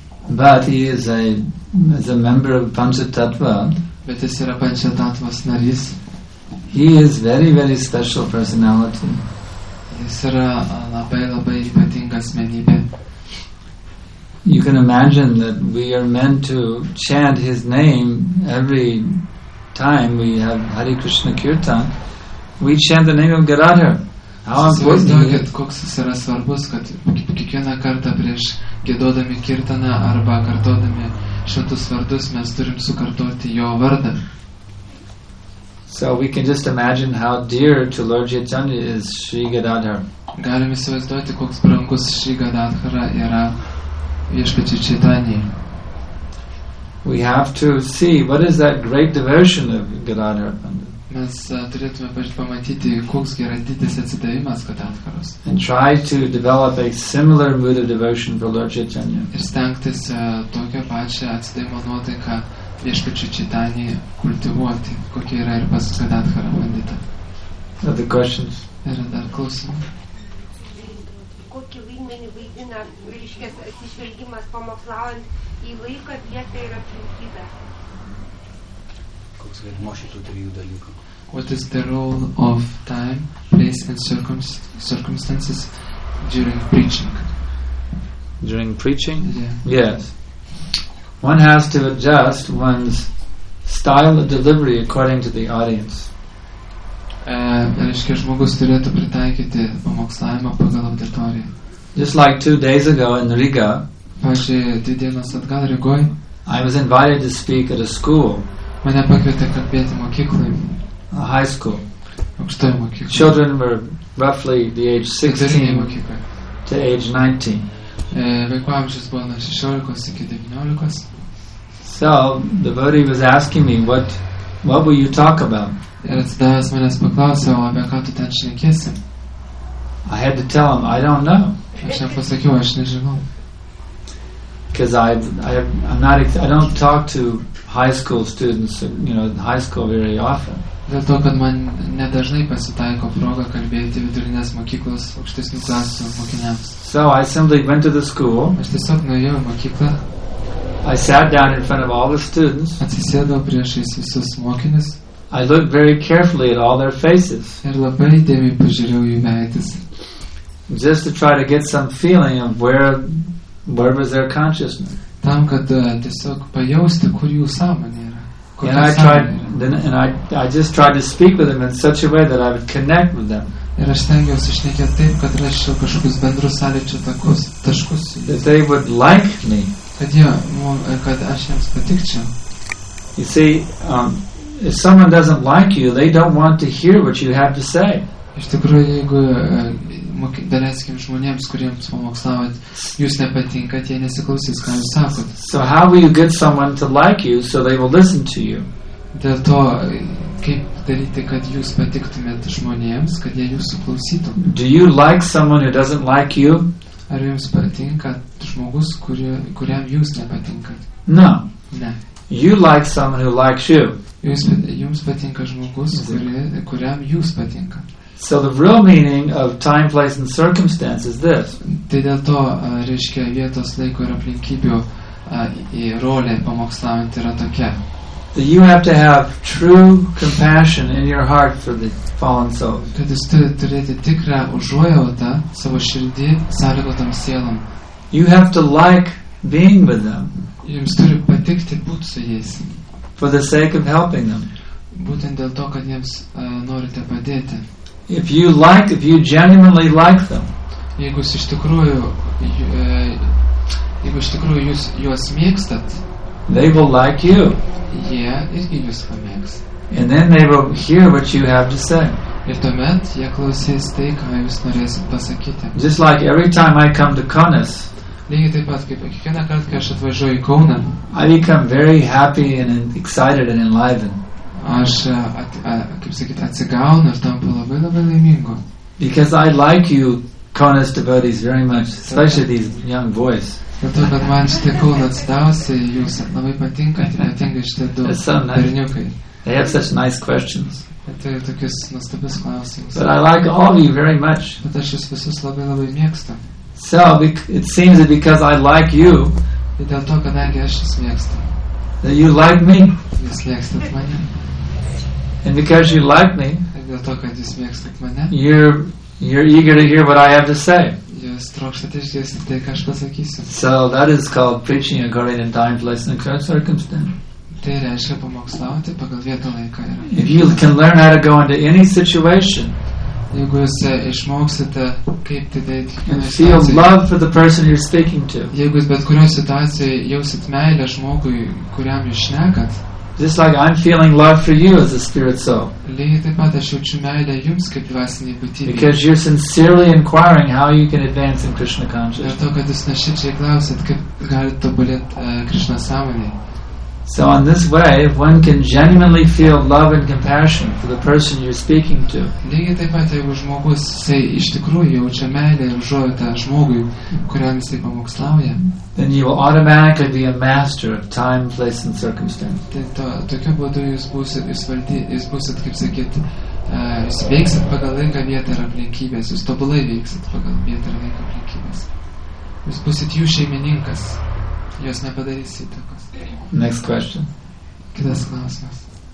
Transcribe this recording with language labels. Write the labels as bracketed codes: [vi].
[en] But he is a member of Panchatattva. [lt] Bet jis yra Panchatattvos narys. [en] He is very, very special personality. [lt] Jis yra labai, labai ypatinga asmenybė. [en] You can imagine that we are meant to chant his name every time we have Hare Krishna Kirtan, we chant the name of Gadadhar. How important [lt] koks jis yra svarbus, kad kiekvieną kartą prieš gėdodami kirtaną arba kartodami šitus vardus, mes turim sukartoti jo vardą. [en] So we can just imagine how dear to Lord Chaitanya is Sri Gadadhar. [lt] Galim įsivaizduoti, koks brangus Sri Gadadhara yra viešpačiai Chaitanyai. [en] We have to see what is that great devotion of Gadadhar Pandit. [lt] Mes turėtume pamatyti, koks yra didis atsidavimas Katatkaros. [en] And try to develop a similar mood of devotion for Lord Chaitanya. [lt] Ir stengtis tokią pačią atsidavimo nuotaiką Viešpačiu Čaitanjai kultivuoti, kokia yra ir pas Katatkarą bandyta. [en] Other questions? [lt] Yra dar klausimų. Kokį vaidmenį vaidina ryškės atsižvelgimas pamokslaujant į vaiką, vietą ir aplinkybę? Koks vaidmuo šitų trijų dalykų? [en] What is the role of time, place and circumstances during preaching? During preaching? Yeah. Yes. One has to adjust one's style of delivery according to the audience. [lt] Reiškia, žmogus turėtų pritaikyti pamokslavimą pagal auditoriją. [en] Just like 2 days ago in Riga, [lt] Rygoj, [en] I was invited to speak at a school. [lt] Mane pakvietė kalbėti mokykloj. [en] A high school. [lt] Aukštoj mokykloj. [en] Children were roughly the age 16 to age 19. [lt] Vaikų amžius buvo nuo 16 iki 19. [en] So, devotee was asking me, what will you talk about? [lt] Ir atsidavęs manęs paklausė, o apie ką tu ten šnekėsi? [en] I had to tell him, I don't know. [lt] Aš jam pasakiau, aš nežinau. [en] Because I don't talk to high school students, you know, in high school very often. [lt] Dėl to, kad man nedažnai pasitaiko proga kalbėti vidurinės mokyklos aukštesnių klasių mokiniams. [en] So I simply went to the school. [lt] Aš tiesiog nuėjau į mokyklą. [en] I sat down in front of all the students. [lt] Atsisėdau priešais visus mokinius. [en] I looked very carefully at all their faces. [lt] Ir labai įdėmiai pažiūrėjau jų veidus. [en] Just to try to get some feeling of where was their consciousness. [lt] Tam, kad tiesiog pajausti, kur jų sąmonė yra. [en] And I just tried to speak with them in such a way that I would connect with them. [lt] Ir aš stengiausi šnekėti taip, kad rasčiau kažkokius bendrus sąlyčio takus, taškus. [en] That they would like me. [lt] Kad aš jiems patikčiau. [en] You see, if someone doesn't like you, they don't want to hear what you have to say. [lt] Iš tikrųjų, jeigu daleiskim žmonėms, kuriems pamokslavot, jūs nepatinkat, jie nesiklausys, ką jūs sakot. [en] So how will you get someone to like you so they will listen to you? [lt] Dėl to, kaip daryti, kad jūs patiktumėt žmonėms, kad jie jūsų klausytų? [en] Do you like someone who doesn't like you? [lt] Ar jums patinka žmogus, kuriam jūs nepatinkat? [en] No. [lt] Ne. [en] You like someone who likes you. [lt] Jums patinka žmogus, kuriam jūs patinka. [en] So the real meaning of time, place and circumstance is this. [lt] Tai dėl to, reiškia, vietos, laiko ir aplinkybių į rolę pamokslaujant yra tokia. [en] That you have to have true compassion in your heart for the fallen soul. [lt] Kad jūs turite turėti tikrą užuojautą savo širdį sąlygotam sielom. [en] You have to like being with them. [lt] Jums turi patikti būti su jais. [en] For the sake of helping them. [lt] Būtent dėl to, kad jiems norite padėti. [en] If you genuinely like them. [lt] Jeigu iš tikrųjų jūs juos mėgstat, [en] they will like you. [lt] Jie irgi jūs pamėgs. [en] And then they will hear what you have to say. [lt] Ir tuomet jie klausys tai, ką jūs norėsit pasakyti. [en] Just like every time I come to Kaunas, [lt] lygiai taip pat, kaip kiekvieną kartą, kai aš atvažiuoju į Kauną, [en] I become very happy and excited and enlivened. [lt] Aš, kaip sakyt, atsigaunu ir tampu labai labai laimingu. [en] Because I like you, Kaunas devotees, very much, especially these young boys. [lt] Dėl to, kad man šitie Kauno atstovai, jūs labai patinka, ypatingai šitie du berniukai. [en] They have such nice questions. [lt] Tai tokius nuostabius klausimus. [en] But I like all of you very much. [lt] Bet aš jūs visus labai labai mėgstu. [en] So, it seems that because I like you, [lt] dėl to, kadangi aš jūs mėgstu, [en] that you like me, [lt] jūs mėgstat mane. [en] And because you like me, [lt] dėl to, kad jūs mėgstat mane, [en] you're eager to hear what I have to say. [lt] Jūs trokštate išgirsti tai, ką aš pasakysiu. [en] So that is called preaching according to time, place and circumstance. [lt] Tai reiškia pamokslauti pagal vietą, laiką ir. [en] If you can learn how to go into any situation, [lt] jeigu jūs išmoksite kaip tai daryti, [en] and feel love for the person you're speaking to, [lt] jeigu jūs bet kurioje situacijoje jausit meilę žmogui, kuriam jūs šnekat, [en] just like I'm feeling love for you as a spirit soul. [lt] Lygiai taip pat aš jaučiu meilę jums kaip dvasinį būtybę. [en] Because you're sincerely inquiring how you can advance in Krishna consciousness. [lt] Dėl to, kad jūs nuoširdžiai klausit, kaip galite tobulėti Krishna sąmonėje. [en] So on this way, one can genuinely feel love and compassion for the person you're speaking to. [lt] Lygiai taip pat, jeigu žmogus jisai iš tikrųjų jaučia meilę ir užuojautą žmogui, kuriam jisai pamokslauja, [en] then you will automatically be a master of time, place and circumstance. [lt] Tai tokiu būdu jūs būsit, kaip sakyt, jūs veiksit pagal laiką, vietą ir aplinkybės, jūs tobulai veiksit pagal vietą ir laiką aplinkybės. Jūs būsit jų šeimininkas, jūs nepadarys įtakos. [en] Next question. [lt] Kitas klausimas.